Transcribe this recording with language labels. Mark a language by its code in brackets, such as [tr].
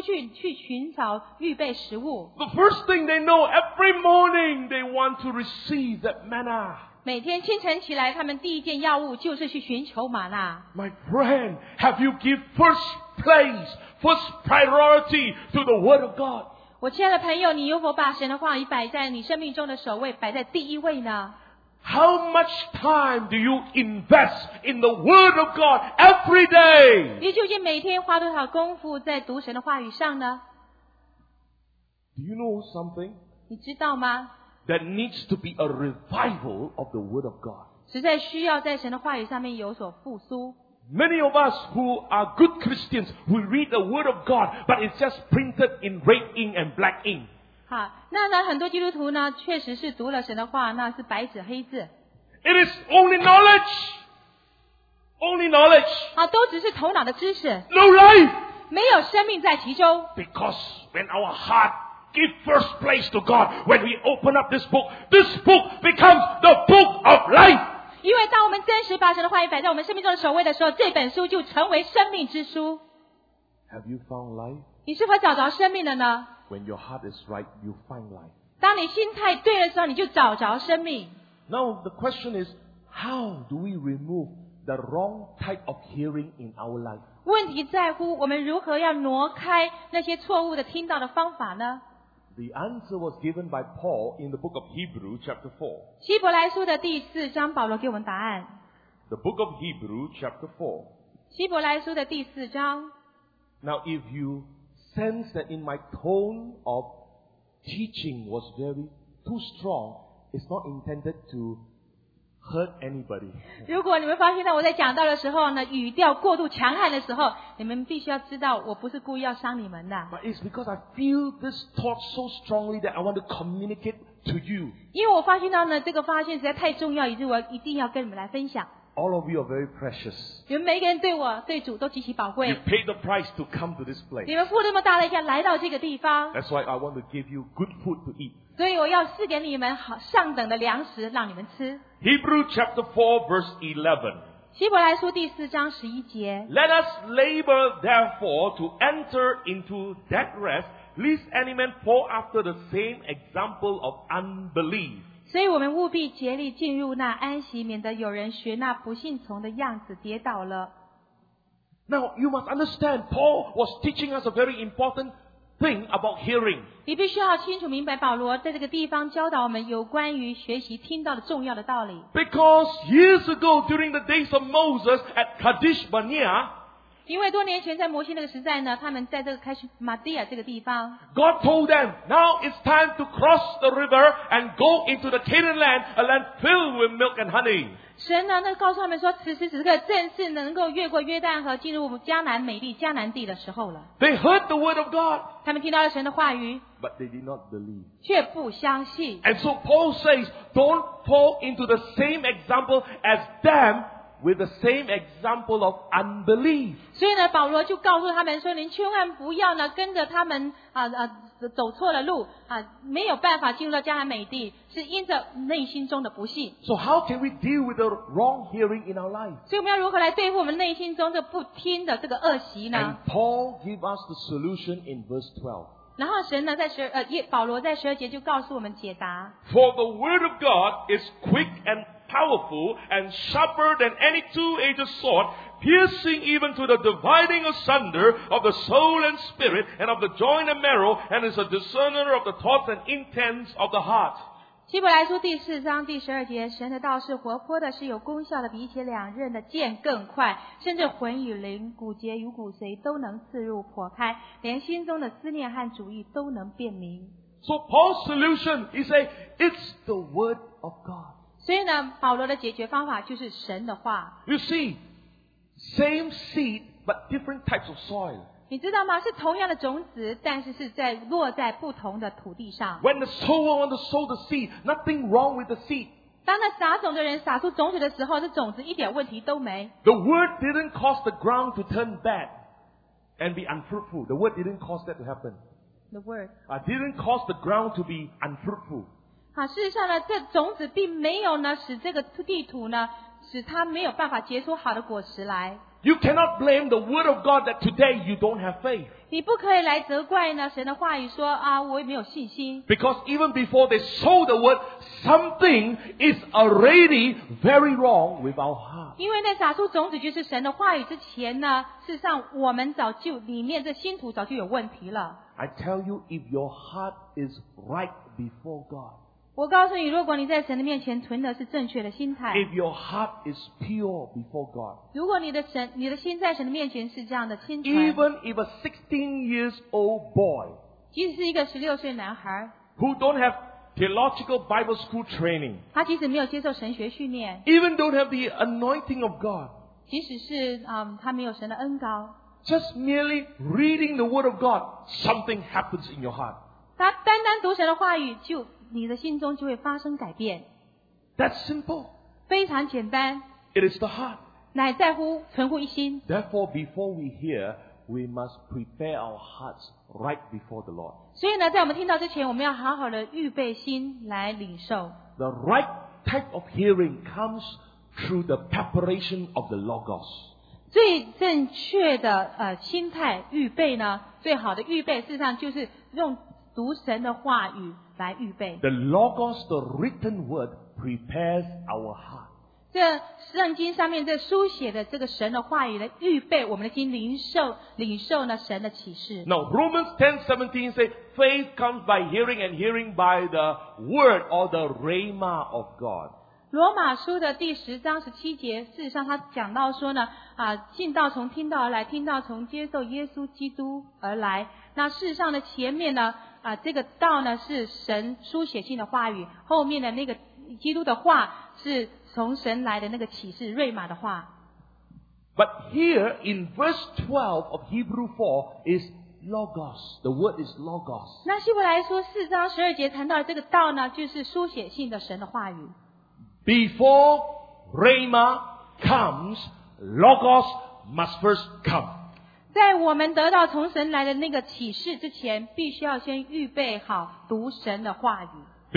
[zh] 他们呢，第一件事情呢，并不是出去寻找预备食物。 [en] The first thing they know every morning they want to receive that manna. [zh] 每天清晨起来，他们第一件要务就是去寻求玛纳。 [en] My friend, have you give first place, first priority to the Word of God? [zh] 我亲爱的朋友，你有否把神的话语摆在你生命中的首位，摆在第一位呢？ [en] How much time do you invest in the Word of God every day? [zh] 你究竟每天花多少功夫在读神的话语上呢？ [en] Do you know something? [zh] 你知道吗？ [en] There needs to be a revival of the Word of God. [zh] 实在需要在神的话语上面有所复苏。 [en] Many of us who are good Christians, we read the Word of God, but it's just printed in red ink and black ink. [zh] 好，那很多基督徒呢，确实是读了神的话，那是白纸黑字。 [en] It is only knowledge, Only knowledge. [zh] 啊，都只是头脑的知识。 [en] No life. [zh] 没有生命在其中。 [en] Because when our heart give first place to God, when we open up this book becomes the book of life. [zh] 因为当我们真实把神的话语摆在我们生命中的首位的时候，这本书就成为生命之书。 [en] Have you found life? [zh] 你是否找着生命了呢？ [en] When your heart is right, you find life. [zh] 当你心态对的时候，你就找着生命。 [en] Now the question is, how do we remove the wrong type of hearing in our life? [zh] 问题在乎我们如何要挪开那些错误的听到的方法呢？ [en] The answer was given by Paul in the book of Hebrew, chapter 4. [zh] 希伯来书的第四章，保罗给我们答案。 [en] The book of Hebrew, chapter 4. [zh] 希伯来书的第四章。 [en] Now if you sense that in my tone of teaching was very too strong, it's not intended to hurt anybody. [zh] 如果你们发现到我在讲到的时候呢，语调过度强悍的时候，你们必须要知道我不是故意要伤你们的。 [en] But it's because I feel this thought so strongly that I want to communicate to you. [zh] 因为我发现到呢，这个发现实在太重要，以致我一定要跟你们来分享。 [en] All of you are very precious. [zh] 你们每一个人对我、对主都极其宝贵。 [en] You paid the price to come to this place. [zh] 你们付那么大代价来到这个地方。 [en] That's why I want to give you good food to eat. [zh] 所以我要赐给你们好上等的粮食，让你们吃。 [en] Hebrew chapter 4 verse 11. [zh] 希伯来书第四章十一节。 [en] Let us labor therefore to enter into that rest, lest any man fall after the same example of unbelief. [zh] 所以我们务必竭力进入那安息，免得有人学那不信从的样子跌倒了。 [en] Now you must understand, Paul was teaching us a very important thing about hearing. [zh] 你必须要清楚明白保罗在这个地方教导我们有关于学习听到的重要的道理。 [en] Because years ago during the days of Moses at Kadesh Barnea, [zh] 因为多年前在摩西那个时代呢，他们在这个开始马蒂亚这个地方。 [en] God told them, now it's time to cross the river and go into the Canaan land, a land filled with milk and honey. [zh] 神呢，那告诉他们说，此时此刻正是能够越过约旦河进入迦南美丽迦南地的时候了。 [en] They heard the word of God. [zh] 他们听到了神的话语。 [en] But they did not believe. [zh] 却不相信。 [en] And so Paul says, don't fall into the same example as them. With the same example of unbelief. [zh] 所以呢，保罗就告诉他们说：“您千万不要呢跟着他们啊啊、走错了路啊，没有办法进入到迦南美地，是因着内心中的不信。” [en] So how can we deal with the wrong hearing in our life? [zh] 所以我们要如何来对付我们内心中这不听的这个恶习呢？ [en] And Paul gave us the solution in verse 12. [zh] 然后神呢，在保罗在十二节就告诉我们解答。 [en] For the word of God is quick and powerful and sharper than any two-edged sword, piercing even to the dividing asunder of the soul and spirit and of the joint and marrow, and is a discerner of the thoughts and intents of the heart. [zh] 希伯来书第四章第十二节，神的道是活泼的，是有功效的，比起两刃的剑更快，甚至魂与灵、骨节与骨髓都能刺入破开，连心中的思念和主意都能辨明。 [en] So Paul's solution, he said, it's the word of God. [zh] 所以呢，保罗的解决方法就是神的话。 [en] You see, same seed but different types of soil. [zh] 你知道吗？是同样的种子，但是是在落在不同的土地上。 [en] When the sower wants to sow the seed, nothing wrong with the seed. [zh] 当那撒种的人撒出种子的时候，这种子一点问题都没。 [en] The word didn't cause the ground to turn bad and be unfruitful. The word didn't cause that to happen. The word. Didn't cause the ground to be unfruitful. [zh] 好，事实上呢，这种子并没有呢使这个地土呢使它没有办法结出好的果实来。 [en] You cannot blame the word of God that today you don't have faith. [zh] 你不可以来责怪呢神的话语说啊我也没有信心。 [en] Because even before they sow the word, something is already very wrong with our heart. [zh] 因为在撒出种子就是神的话语之前呢，事实上我们早就里面这心土早就有问题了。 [en] I tell you, if your heart is right before God. [zh] 我告诉你，如果你在神的面前存的是正确的心态， [en] If your heart is pure before God, [zh] 如果你的心在神的面前是这样的清纯， [en] Even if a 16 years old boy, [zh] 即使是一个16岁男孩， [en] who don't have theological Bible school training, [zh] 他即使没有接受神学训练， [en] Even don't have the anointing of God, [zh] 即使是他没有神的恩膏， [en] Just merely reading the word of God, something happens in your heart. [zh] 他单单读神的话语就你的心中就会发生改变。 [en] That's simple. [zh] 非常简单。 [en] It is the heart. [zh] 乃在乎存乎一心。 [en] Therefore, before we hear, we must prepare our hearts right before the Lord. [zh] 所以呢，在我们听到之前，我们要好好的预备心来领受。 [en] The right type of hearing comes through the preparation of the Logos. [zh] 最正确的心态预备呢，最好的预备，事实上就是用读神的话语来预备。 [en] The Logos, the written word, prepares our heart. [zh] 这圣经上面这书写的这个神的话语来预备我们的心领受呢神的启示。 [en] Now Romans 10:17 say faith comes by hearing and hearing by the word or the rhema of God. [zh] 罗马书的第十章十七节事实上他讲到说呢信道从听道而来听道从接受耶稣基督而来。那事实上的前面呢这个道呢是神书写性的话语后面的那个基督的话是从神来的那个启示瑞玛的话。 [en] But here in verse 12 of Hebrew 4 is Logos. The word is Logos. [zh] 那希伯来书四章十二节谈到这个道呢就是书写性的神的话语。 [en] Before Rhema comes, Logos must first come. [zh] 在我们得到从神来的那个启示之前必须要先预备好读神的话语。